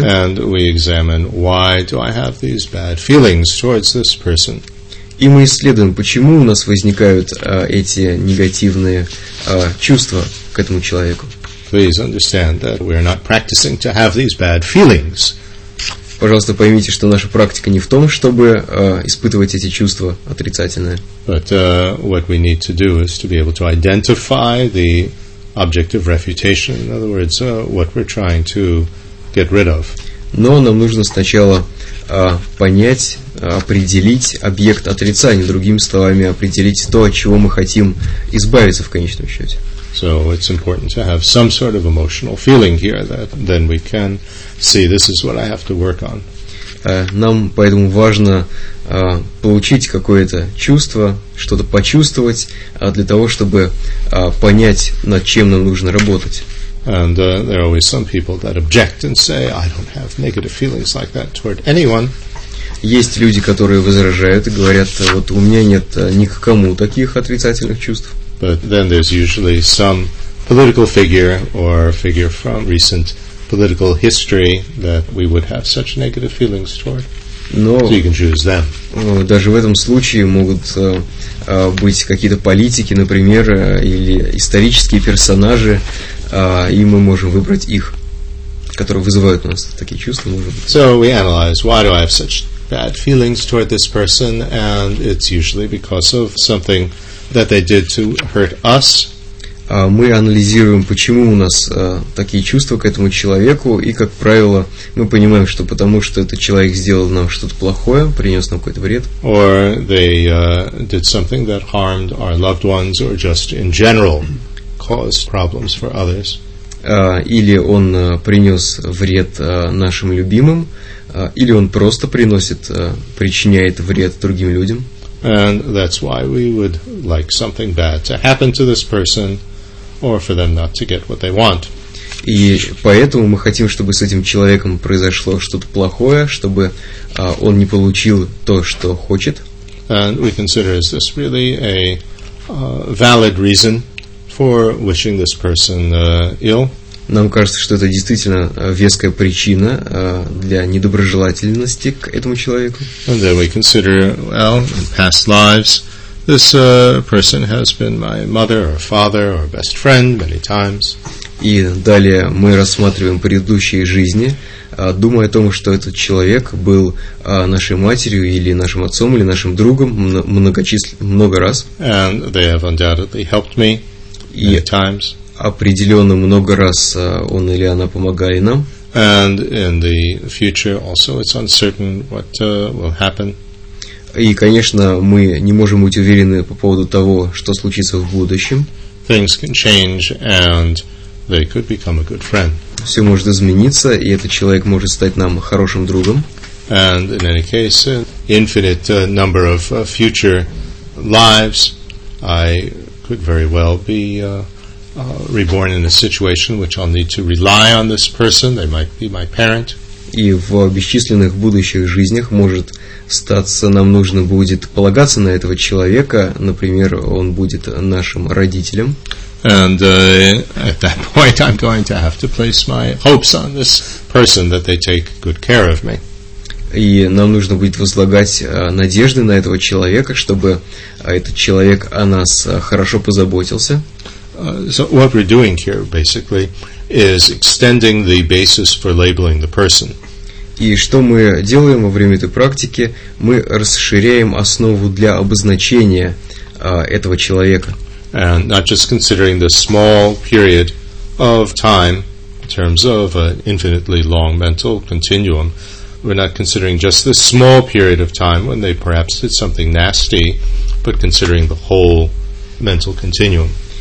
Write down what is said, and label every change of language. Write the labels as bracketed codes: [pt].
[en] And we examine why do I have these bad feelings towards this person. [ru] И мы исследуем, почему у нас возникают эти негативные чувства к этому человеку. [en] Please understand that we are not practicing to have these bad feelings. [ru] Пожалуйста, поймите, что наша практика не в том, чтобы испытывать эти чувства отрицательные. [en] But what we need to do is to be able to identify the object of refutation, in other words, what we're trying to get rid of. [ru] Но нам нужно сначала понять, определить объект отрицания, другими словами, определить то, от чего мы хотим избавиться в конечном счете. [en] So it's important to have some sort of emotional feeling here that then we can see this is what I have to work on. [ru] Нам поэтому важно получить какое-то чувство, что-то почувствовать для того, чтобы понять, над чем нам нужно работать. [en] And there are always some people that object and say, I don't have negative feelings like that toward anyone. [ru] Есть люди, которые возражают и говорят, вот у меня нет ни к кому таких отрицательных чувств. [en] But then there's usually some political figure or figure from recent political history that we would have such negative feelings toward. [ru] Но [en] so you can choose them. [ru] Даже в этом случае могут быть какие-то политики, например, или исторические персонажи, и мы можем выбрать их, которые вызывают у нас такие чувства. [en] So we analyze, why do I have such bad feelings toward this person, and it's usually because of something that they did to hurt us. [ru] Мы анализируем, почему у нас такие чувства к этому человеку, и, как правило, мы понимаем, что потому что этот человек сделал нам что-то плохое, принес нам какой-то вред. [en] Or they did something that harmed our loved ones, or just in general caused problems for others. [ru] Или он принес вред нашим любимым, или он просто причиняет вред другим людям. [en] And that's why we would like something bad to happen to this person, or for them not to get what they want. [ru] И поэтому мы хотим, чтобы с этим человеком произошло что-то плохое, чтобы он не получил то, что хочет. [en] And we consider, is this really a valid reason for wishing this person ill? [ru] Нам кажется, что это действительно веская причина для недоброжелательности к этому человеку. [en] And then we consider, well, in past lives, this person has been my mother or father or best friend many times. [ru] И далее мы рассматриваем предыдущие жизни, думая о том, что этот человек был нашей матерью или нашим отцом или нашим другом много раз. [en] And they have undoubtedly helped me many times. [ru] Определенно много раз он или она помогали нам. [en] And in the future also it's uncertain what will happen. [ru] И, конечно, мы не можем быть уверены по поводу того, что случится в будущем. [en] Things can change, and they could become a good friend. [ru] Все может измениться, и этот человек может стать нам хорошим другом. [en] And in any case, an infinite number of future lives, I could very well be reborn in a situation which I'll need to rely on this person. They might be my parent. [ru] И в бесчисленных будущих жизнях может статься, нам нужно будет полагаться на этого человека, например, он будет нашим родителем. [en] And at that point I'm going to have to place my hopes on this person that they take good care of me. [ru] И нам нужно будет возлагать надежды на этого человека, чтобы этот человек о нас хорошо позаботился. [en] So what we're doing here basically is extending the basis for labeling the person. [ru] И что мы делаем во время этой практики? Мы расширяем основу для обозначения этого человека. [en] And not just considering the small period of time in terms of an infinitely long mental continuum. We're not considering just this small period of time when they perhaps did something nasty, but considering the whole mental continuum.